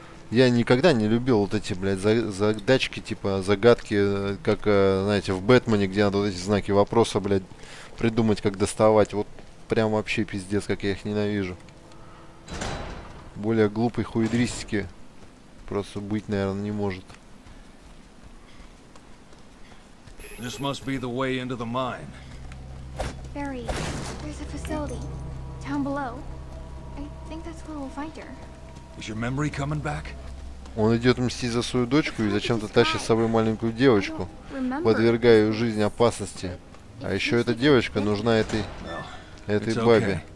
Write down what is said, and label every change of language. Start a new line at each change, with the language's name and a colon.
Russian: Я никогда не любил вот эти, блядь, задачки, типа, загадки, как, знаете, в Бэтмене, где надо вот эти знаки вопроса, блядь, придумать, как доставать. Вот прям вообще пиздец, как я их ненавижу. Более глупой хуидристики просто быть, наверное, не может.
English: This must be the way into the mine. Barry, there's a facility down below. I think that's where we'll find her. Is your memory coming back?
Russian: Он идет мстить за свою дочку и зачем-то тащит с собой маленькую девочку, подвергая ее жизнь опасности. А еще эта девочка нужна этой бабе.